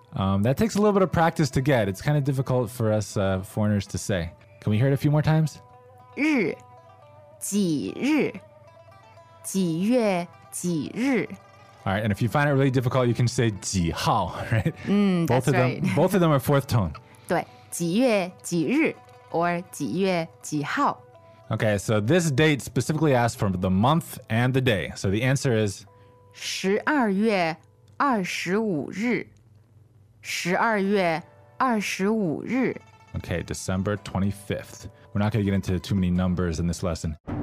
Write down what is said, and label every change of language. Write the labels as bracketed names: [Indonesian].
[English] That takes a little bit of practice to get. It's kind of difficult for us foreigners to say. Can we hear it a few more times? [Chinese] 日，几日，几月几日。 [English] All right, and if you find it really difficult, you can say [Chinese] 几号, [English] right? Both of them, right. Both of them are fourth tone. [Chinese] 对，几月几日 or 几月几号。 [English] Okay, so this date specifically asks for the month and the day. So the answer is [Chinese] 十二月二十五日。十二月二十五日。 [English] Okay, December 25th. We're not going to get into too many numbers in this lesson.